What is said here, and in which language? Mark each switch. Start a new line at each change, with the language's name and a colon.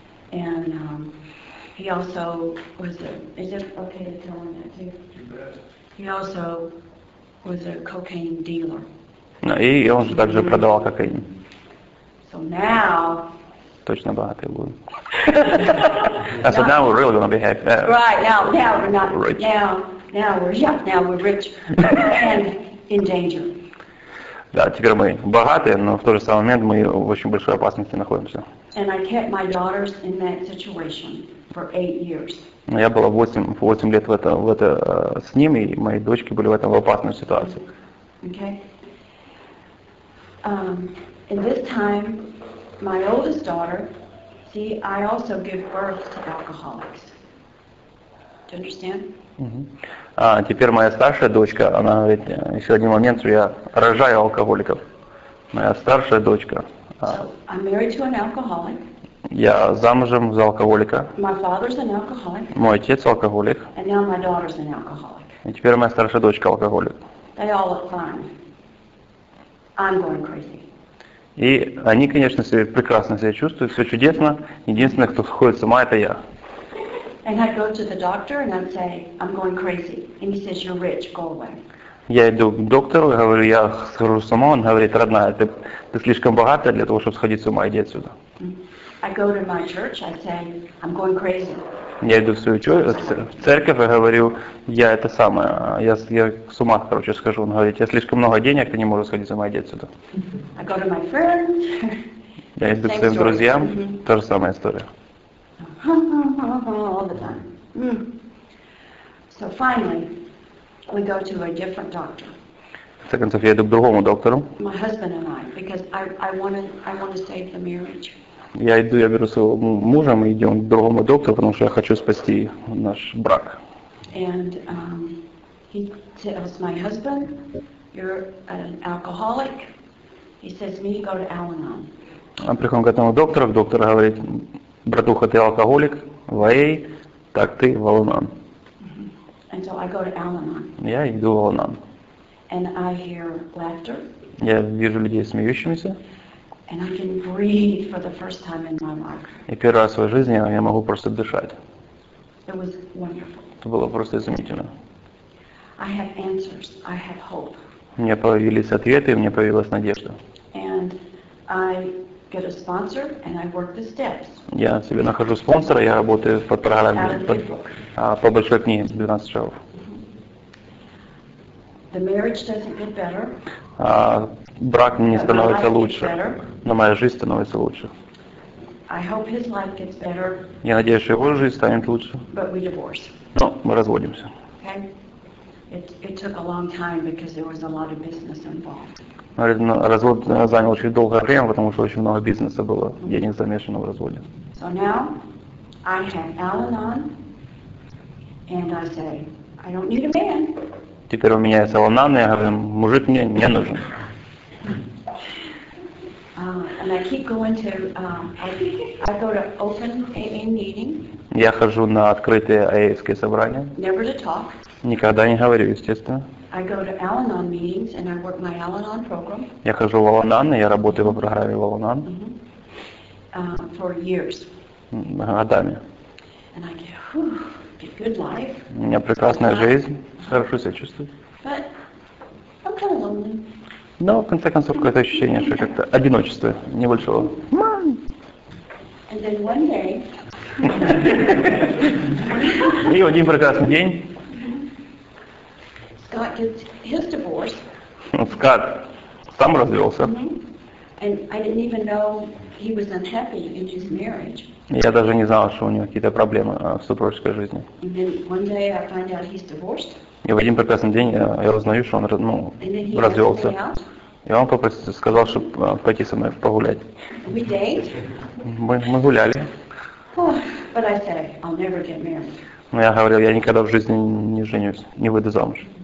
English: And he also was is it okay to tell him that too? He also was a cocaine dealer.
Russian: Ну и он же также продавал кокаин.
English: So now.
Russian: Точно богатый будет.
English: I said, now we're really going to be happy. Right, now we're not rich. Now we're rich and in danger.
Russian: Да, теперь мы богатые, но в тот же самый момент мы в очень большой опасности находимся.
English: And I kept my daughters in that situation for 8 years.
Russian: Я была 8 лет в это с ним, и мои дочки были в этом в опасной ситуации.
English: Okay. In this time, my oldest daughter, see, I also give birth to alcoholics. Do you understand? Mm-hmm.
Russian: Теперь моя старшая дочка, она говорит, еще один момент, что я рожаю алкоголиков. Моя старшая дочка.
English: So, I'm married to an alcoholic.
Russian: Я замужем за алкоголика.
English: My father's an alcoholic.
Russian: Мой отец алкоголик.
English: And now my daughter's an alcoholic.
Russian: И теперь моя старшая дочка алкоголик.
English: They all look fine. I'm going crazy.
Russian: И они, конечно, себя прекрасно себя чувствуют, все чудесно. Единственное, кто сходит с ума, это я.
English: And I go to the doctor and I say, I'm going crazy. And he says, you're rich, go away.
Russian: Я иду к доктору, говорю, я схожу с ума, он говорит, родная, ты слишком богатая для того, чтобы сходить с ума, иди отсюда.
English: I go to my church, I say, I'm going crazy.
Russian: Я иду в свою церковь и говорю, я это самое, я с ума, короче, схожу. Он говорит, я слишком много денег, ты не можешь сходить с ума, иди отсюда.
English: I go to my friends.
Russian: Я иду к своим друзьям, mm-hmm. Та же самая история.
English: All the time. Mm. So finally, we go to a different doctor.
Russian: В конце концов, я иду к другому доктору.
English: My husband and I, because I want to save the marriage.
Russian: Я иду, я беру своего мужа, мы идем к другому доктору, потому что я хочу спасти наш брак.
English: And he tells my husband, you're an alcoholic. He says, me go to Al-Anon.
Russian: Он приходит к этому доктору, доктор говорит, братуха, ты алкоголик, в АА, так ты в Al-Anon.
English: And so I go to Al-Anon.
Russian: Я иду в Al-Anon.
English: And I hear laughter.
Russian: Я вижу людей смеющимися.
English: And I can breathe for the first time in my life.
Russian: И первый раз в своей жизни я могу просто дышать.
English: It was wonderful.
Russian: Это было просто изумительно.
English: I have answers. I have hope.
Russian: У меня появились ответы, и у меня появилась надежда.
English: And I get a sponsor, and I work the steps.
Russian: Я себе нахожу спонсора, я работаю по программе, по большой книге, 12 шагов.
English: The marriage doesn't get better.
Russian: Брак мне становится лучше, но моя жизнь становится лучше.
English: I hope his life gets better.
Russian: Я надеюсь, что его жизнь станет лучше.
English: But we divorce.
Russian: Но мы разводимся.
English: Okay. It took a long time because there was a lot of business involved.
Russian: Развод занял очень долгое время, потому что очень много бизнеса было, денег замешано в разводе.
English: So now I have Al-Anon, and I say, I don't need a man.
Russian: Теперь у меня есть Al-Anon, и я говорю, мужик мне не нужен.
English: And I keep going to I go to open AA meeting.
Russian: Я хожу на открытые АА-евские собрания.
English: Never to talk.
Russian: Никогда не говорю, естественно.
English: I go to Al-Anon meetings and I work my Al-Anon program.
Russian: Я хожу в Al-Anon, и я работаю по программе Al-Anon.
English: Mm-hmm. For years.
Russian: Годами.
English: And I get, whew, good life.
Russian: У меня прекрасная жизнь. Хорошо себя чувствую.
English: But I'm kind of lonely.
Russian: Но, в конце концов, какое-то ощущение, что как-то одиночество небольшого.
English: And then one day...
Russian: И один прекрасный день...
English: Scott gets his divorce.
Russian: Скотт сам развелся.
English: And I didn't even know he was unhappy in his marriage.
Russian: Я даже не знал, что у него какие-то проблемы в супружеской жизни.
English: And then one day I find out he's divorced.
Russian: И в один прекрасный день я узнаю, что он развелся. И он попросил, сказал, чтобы пойти со мной погулять.
English: We date.
Russian: Мы гуляли.
English: But I said, I'll never get married.
Russian: Но я говорил, я никогда в жизни не женюсь, не выйду замуж.